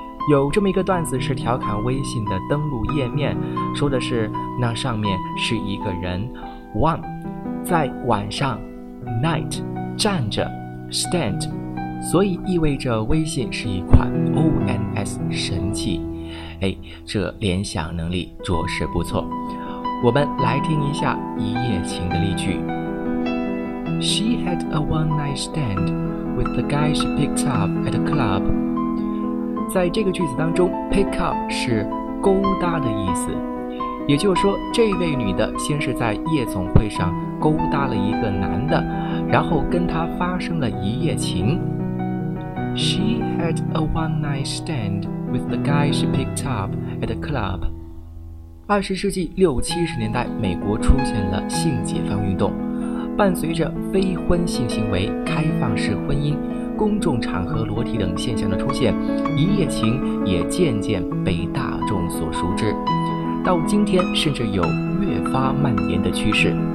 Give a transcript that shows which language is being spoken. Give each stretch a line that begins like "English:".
Chinese: 有这么一个段子是调侃微信的登录页面，说的是那上面是一个人 one 在晚上Night 站着 Stand， 所以意味着微信是一款 ONS 神器。哎，这联想能力着实不错。我们来听一下一夜情的例句。
English: She had a one night stand with the guy she picked up at a club。
Chinese: 在这个句子当中， pick up 是勾搭的意思，也就是说这位女的先是在夜总会上勾搭了一个男的，然后跟他发生了一夜情。
English: She had a one night stand with the guy she picked up at a club。
Chinese: 20世纪60-70年代，美国出现了性解放运动，伴随着非婚性行为、开放式婚姻、公众场合裸体等现象的出现，一夜情也渐渐被大众所熟知，到今天甚至有越发蔓延的趋势。